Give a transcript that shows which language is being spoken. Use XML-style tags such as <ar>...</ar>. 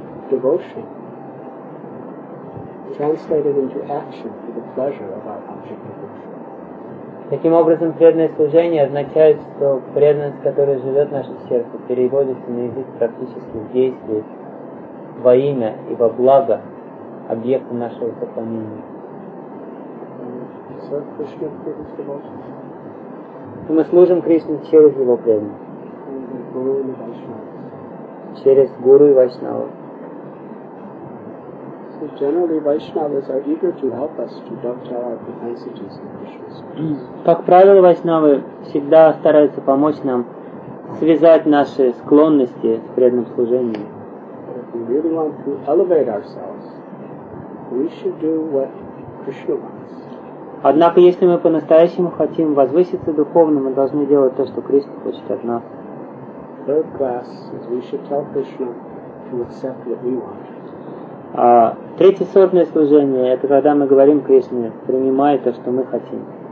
<en>Devotion translated into action for the pleasure of our object of worship.</en> <ru>Таким образом, преданное служение означает, что преданность, которая живет в нашем сердце, переводится на язык практических действий во имя и во благо объекта нашего поклонения.</ru> <en>So</en> <ru>мы служим Кришне через его преданность. Через Гуру и Вайшнава.</ru> <en>Generally, Vaishnavas are eager to help us to dovetail our propensities in Krishna's service.</en> <ru>Как правило, Вайшнавы всегда стараются помочь нам связать наши склонности с преданным служением.</ru> <en>If we really want to elevate ourselves, we should do what Krishna wants.</en> <ru>Однако, если мы по-настоящему хотим возвыситься духовно, мы должны делать то, что Кришна хочет от нас.</ru> <en>Third class is we should tell Krishna to accept what we want.</en> <ru>Третьесортное служение – это когда мы говорим Кришне, принимай то, что мы хотим.</ru>